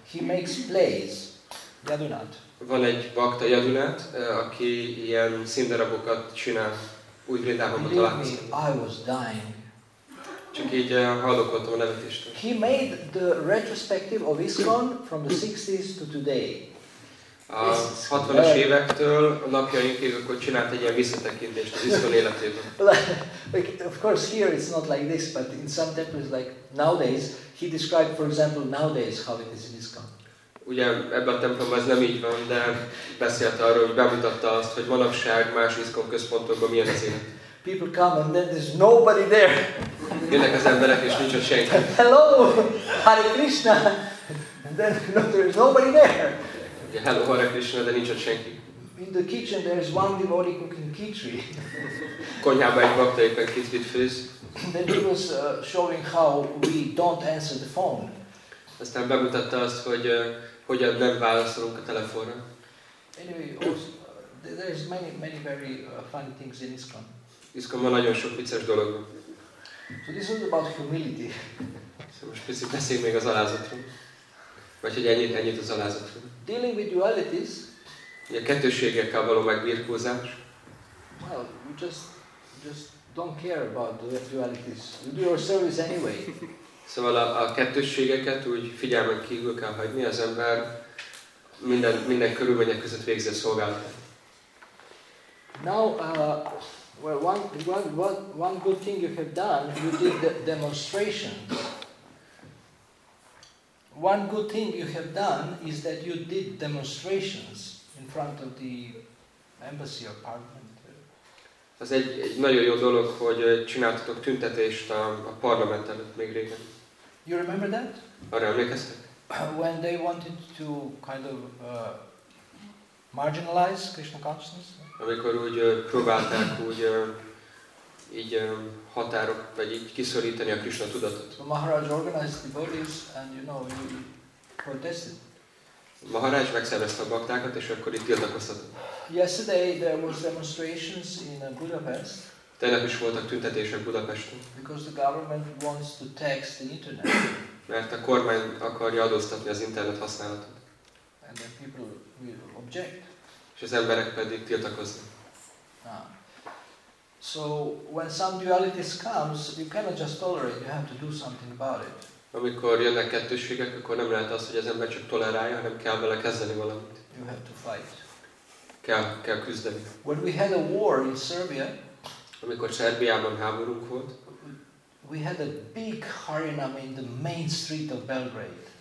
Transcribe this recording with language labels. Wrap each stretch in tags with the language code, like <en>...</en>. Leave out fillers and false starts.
<en>He makes plays. Yadunath.</en> <hu>Van egy bakta, Yadunath, aki ilyen színdarabokat csinál. Új Vrindavanban találkoztam.</hu> <en>I was dying.</en> <hu>Csak így hallokottam a nevetéstől.</hu> <en>He made the retrospective of ISKCON from the 60s to today.</en> <hu>A 60-as évektől a napjainkig akkor csinált egy ilyen visszatekintést az ISKCON életében.</hu> <en>Of course here it's not like this, but in some temples like nowadays, he described for example nowadays how it is in ISKCON.</en> <hu>Ugye ebben a templomban ez nem így van, de beszélt arról, hogy bemutatta azt, hogy manapság más ISKCON központokban milyen az élet.</hu> <en>People come and then there's nobody there.</en> <hu>Jönnek az emberek és nincs ott senki.</hu> <en>Hello, Hare Krishna. And then no, there is nobody there. Yeah, hello,</en> <hu>Hare Krishna, de nincs ott senki.</hu> <en>In the kitchen there is one devotee cooking khichdi.</en> <hu>Konyhában egy bakta éppen khichdit főz.</hu> <en>Then he was showing how we don't answer the phone.</en> <hu>Aztán bemutatta azt, hogy hogyan nem válaszolunk a telefonra.</hu> <en>Anyway, also, there is many, many very funny things in ISKCON.</en> <hu>ISKCON-ban nagyon sok vicces dolog.</hu> <en>So this is about humility.</en> <hu>So most picit beszéljünk még az alázatról. Vagy hogy ennyit az alázatról.</hu> <en>Dealing with dualities.</en> <hu>A kettőségekkel való megbirkózás.</hu> <en>Well, you just don't care about the dualities. You do your service anyway.</en> <hu>Szóval a kettősségeket úgy figyelmen kívül kell hagyni, az ember minden körülmények között végzi a szolgálatot.</hu> <en>Now, well, one good thing you have done, you did the demonstrations. One good thing you have done is that you did demonstrations in front of the embassy apartment.</en> <hu>Ez egy nagyon jó dolog, hogy csináltatok tüntetést a parlament előtt még régen.</hu> <en>You remember that?</en> <hu>Arra emlékeztek?</hu> <en>When they wanted to kind of marginalize Krishna consciousness?</en> <hu>Amikor úgy próbálták úgy így határok vagy így kiszorítani a Krishna tudatot.</hu> <en>The Maharaj organized the devotees and you know you protested.</en> <hu>Maharaj megszervezte a baktákat és akkor itt tiltakoztatott.</hu> <en>Yesterday there was demonstrations in Budapest.</en> <hu>Tegnap is voltak tüntetések Budapesten.</hu> <en>Because the government wants to tax the internet.</en> <hu>Mert a kormány akarja adóztatni az internet használatot.</hu> <en>And the people will object.</en> <hu>És az emberek pedig tiltakoznak.</hu> <en>So when some dualities comes, you cannot just tolerate, you have to do something about it.</en> <hu>Amikor jönnek kettőségek, akkor nem lehet az, hogy az ember csak tolerálja, hanem kell vele kezdeni valamit.</hu> <en>You have to fight.</en> <hu>Kell küzdeni.</hu> <en>When we had a war in Serbia,</en> <hu>amikor Szerbiában háborunk volt,</hu> <en>we had a big harinam in the main street of Belgrade.</en>